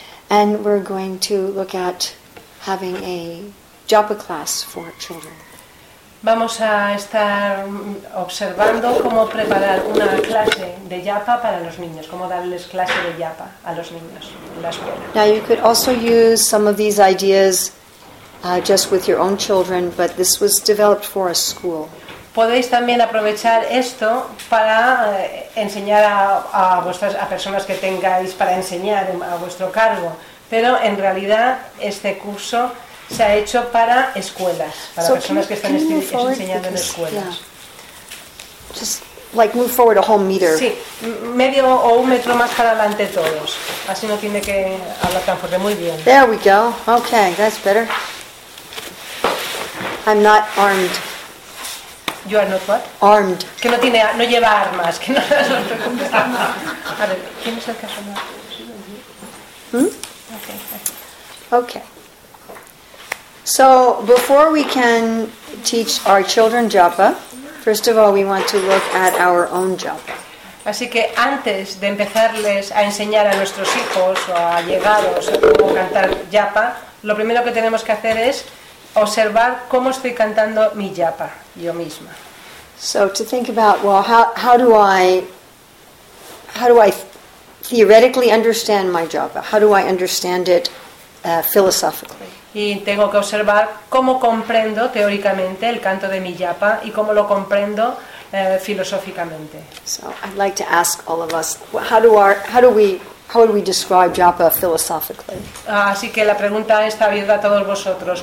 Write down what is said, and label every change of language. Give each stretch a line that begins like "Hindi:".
English: And we're going to look at having a japa class for children.
Spanish: Vamos a estar observando cómo preparar una clase de japa para los niños, cómo darles clase de japa a los niños en la escuela.
English: Now you could also use some of these ideas just with your own children, but this was developed for a school.
Spanish: Podéis también aprovechar esto para enseñar a personas que tengáis para enseñar a vuestro cargo, pero en realidad este curso se ha hecho para escuelas, para
English: so
Spanish: personas
English: you,
Spanish: que están enseñando en escuelas.
English: Yeah. Just like move forward a whole meter.
Spanish: Sí, medio o un metro más para adelante todos. Así no tiene que hablar tan fuerte. Muy bien.
English: There we go. Okay, that's better. I'm not armed. You are not what? Armed.
Spanish: Que no lleva armas. Que no las preocupes. A ver, ¿quién es el caso?
English: Okay. So before we can teach our children japa, first of all we want to look at our own japa.
Spanish: Así que antes de empezarles a enseñar a nuestros hijos o a llegados a cantar japa, lo primero que tenemos que hacer es observar cómo estoy cantando mi japa yo misma.
English: So to think about, well, how do I theoretically understand my japa? How do I understand it philosophically?
Spanish: Y tengo que observar cómo comprendo teóricamente el canto de mi japa y cómo lo comprendo filosóficamente.
English: So I'd like to ask all of us, how would we describe japa philosophically?
Spanish: Así que la pregunta está abierta a todos vosotros.